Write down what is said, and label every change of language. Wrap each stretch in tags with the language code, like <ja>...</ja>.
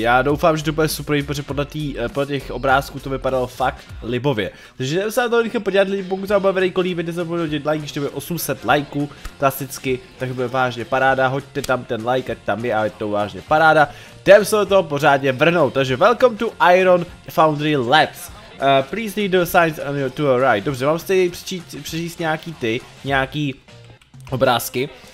<cs>Já doufám, že to bude super, protože podle těch obrázků to vypadalo fakt libově. Takže jdeme se na to rychle podívat lidi, pokud se vám bude veliko líbit, nezapomeňte hodit like, když to bude 800 lajků klasicky, tak bude vážně paráda, hoďte tam ten like, ať tam je a je to vážně paráda. Jdem se do toho pořádně vrhnout, takže</cs> <en>welcome to Iron Foundry Labs. Please read the signs on your tour right.</en> <cs>Dobře, mám si přečíst nějaký obrázky.</cs>